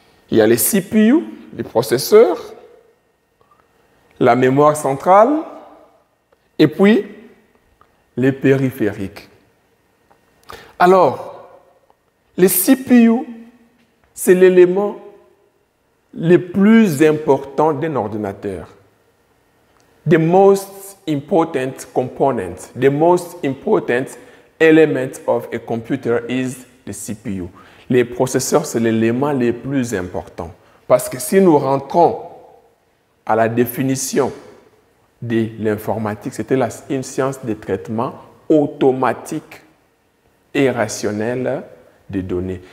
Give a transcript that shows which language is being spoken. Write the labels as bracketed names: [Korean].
[French] Il y a les CPU, les processeurs, la mémoire centrale, et puis les périphériques. Alors, les CPU, c'est l'élément le plus important d'un ordinateur. [English] The most important component, the most important element of a computer is the CPU. [French] Les processeurs, c'est l'élément le plus important. Parce que si nous rentrons à la définition de l'informatique, c'était une science de traitement automatique et rationnel des données.